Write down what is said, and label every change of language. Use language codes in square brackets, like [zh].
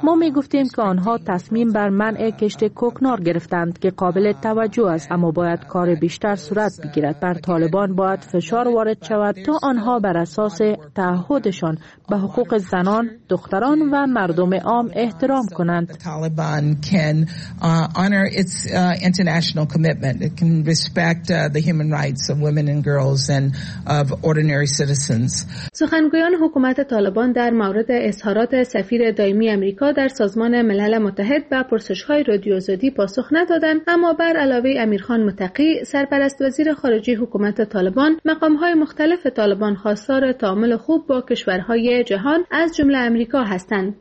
[fa] ما می‌گفتیم که آنها تصمیم بر منع کشت کوکنار گرفتند که قابل توجه است، اما باید کار بیشتر صورت بگیرد. بر طالبان باید فشار وارد شود تا آنها بر اساس تعهدشان به حقوق زنان، دختران و مردم عام احترام کنند. [en] Can honor its international commitment. It can respect the human rights of women and girls and of ordinary citizens. [fa] سخنگویان حکومت طالبان در مورد اظهارات سفیر دائمی آمریکا در سازمان ملل متحد به پرسش‌های رادیو آزادی پاسخ ندادند، اما بر علاوه امیرخان متقی سرپرست وزیر خارجه حکومت طالبان مقام‌های مختلف طالبان خواستار تعامل خوب با کشورهای جهان از جمله آمریکا هستند.